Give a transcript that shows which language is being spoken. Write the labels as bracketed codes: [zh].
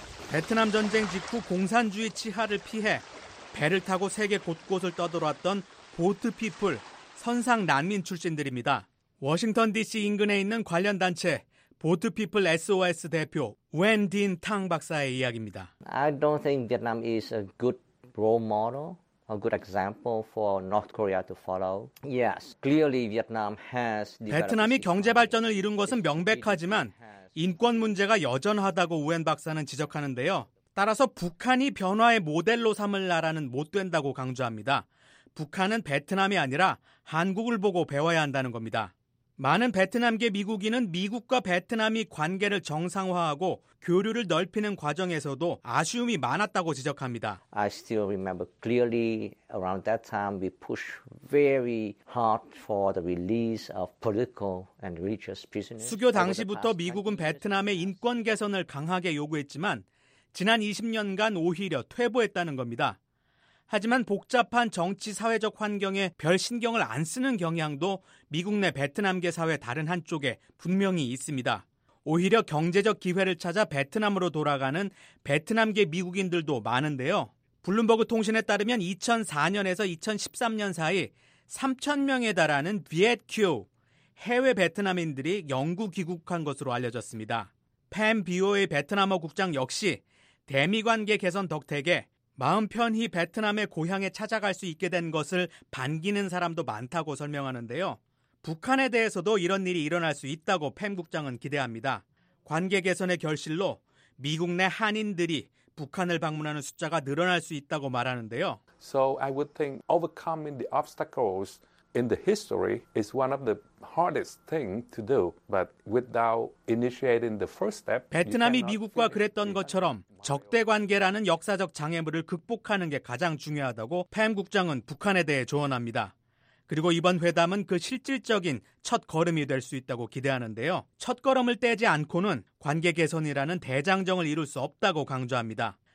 [ko] 베트남 전쟁 직후 공산주의 치하를 피해 배를 타고 세계 곳곳을 떠돌았던 보트 피플, 선상 난민 출신들입니다. 워싱턴 DC 인근에 있는 관련 단체 보트피플 SOS 대표 웬 딘 탕 박사의 이야기입니다. [en] I don't think Vietnam is a good role model, a good example for North Korea to follow. Yes, clearly Vietnam has. [ko] 베트남이 경제 발전을 이룬 것은 명백하지만 인권 문제가 여전하다고 웬 박사는 지적하는데요. 따라서 북한이 변화의 모델로 삼을 나라는 못 된다고 강조합니다. 북한은 베트남이 아니라 한국을 보고 배워야 한다는 겁니다. 많은 베트남계 미국인은 미국과 베트남이 관계를 정상화하고 교류를 넓히는 과정에서도 아쉬움이 많았다고 지적합니다. [en] I still remember clearly around that time we pushed very hard for the release of political and religious prisoners. [ko] 수교 당시부터 미국은 베트남의 인권 개선을 강하게 요구했지만 지난 20년간 오히려 퇴보했다는 겁니다. 하지만 복잡한 정치 사회적 환경에 별 신경을 안 쓰는 경향도 미국 내 베트남계 사회 다른 한쪽에 분명히 있습니다. 오히려 경제적 기회를 찾아 베트남으로 돌아가는 베트남계 미국인들도 많은데요. 블룸버그 통신에 따르면 2004년에서 2013년 사이 3천 명에 달하는 비엣큐 해외 베트남인들이 영국 귀국한 것으로 알려졌습니다. 팸 비오의 베트남어 국장 역시 대미관계 개선 덕택에 마음 편히 베트남의 고향에 찾아갈 수 있게 된 것을 반기는 사람도 많다고 설명하는데요. 북한에 대해서도 이런 일이 일어날 수 있다고 팸 국장은 기대합니다. 관계 개선의 결실로 미국 내 한인들이 북한을 방문하는 숫자가 늘어날 수 있다고 말하는데요. [en] So I would think overcoming the obstacles in the history is one of the hardest thing to do, but without initiating the first step. [ko] 베트남이 미국과 그랬던 것처럼 적대 관계라는 역사적 장애물을 극복하는 게 가장 중요하다고 팸 국장은 북한에 대해 조언합니다. 그리고 이번 회담은 그 실질적인 첫 걸음이 될 수 있다고 기대하는데요. 첫 걸음을 떼지 않고는 관계 개선이라는 대장정을 이룰 수 없다고 강조합니다.